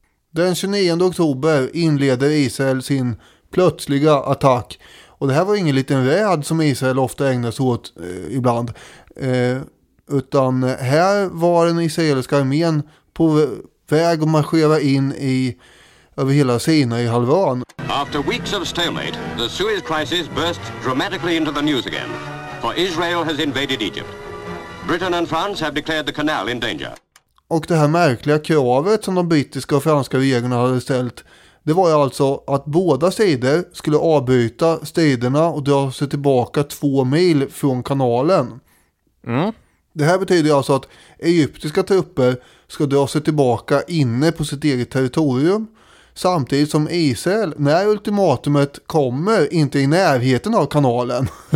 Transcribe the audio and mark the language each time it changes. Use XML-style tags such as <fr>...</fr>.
<sv>Den 29 oktober inleder Israel sin plötsliga attack. Och det här var ingen liten räd som Israel ofta ägnade sig åt ibland. Utan här var den israeliska armén på väg att marschera in i över hela Sinai halvön.</sv> <en>After weeks of stalemate, the Suez crisis burst dramatically into the news again. For Israel has invaded Egypt. Britain and France have declared the canal in danger.</en> <sv>Och det här märkliga kravet som de brittiska och franska regeringarna hade ställt, det var ju alltså att båda sidor skulle avbryta striderna och dra sig tillbaka 2 mil från kanalen. Mm. Det här betyder alltså att egyptiska trupper ska dra sig tillbaka inne på sitt eget territorium, samtidigt som Israel, när ultimatumet kommer, inte i närheten av kanalen.</sv>